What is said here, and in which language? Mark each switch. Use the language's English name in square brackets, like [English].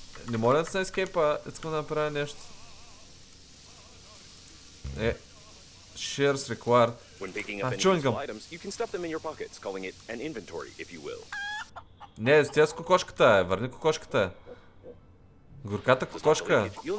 [Bulgarian] Не моля да се ескейпа, искам да направя нещо. [English] Shares required. When picking up any useful items, you can stuff them in your pockets, calling it an inventory, if you will. [Bulgarian] Не, стоя с кокошката, върни кокошката. Горката кокошка.